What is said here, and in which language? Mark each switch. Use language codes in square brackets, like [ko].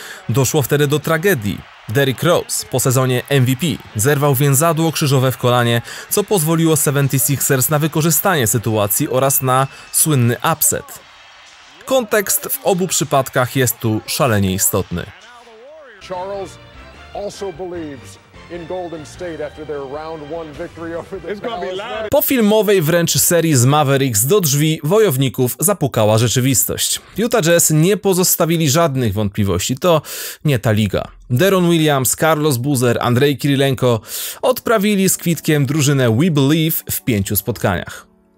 [pl] Doszło wtedy do tragedii. Derrick Rose po sezonie MVP zerwał więzadło krzyżowe w kolanie, co pozwoliło 76ers na wykorzystanie sytuacji oraz na słynny upset. Kontekst w obu przypadkach jest tu szalenie istotny. [en] Charles also believes in Golden State after their round one victory over the Dallas. [pl] Po filmowej wręcz serii z Mavericks do drzwi wojowników zapukała rzeczywistość. Utah Jazz nie pozostawili żadnych wątpliwości, to nie ta liga. Deron Williams, Carlos Boozer, Andrei Kirilenko odprawili z kwitkiem drużynę We Believe w 5 spotkaniach.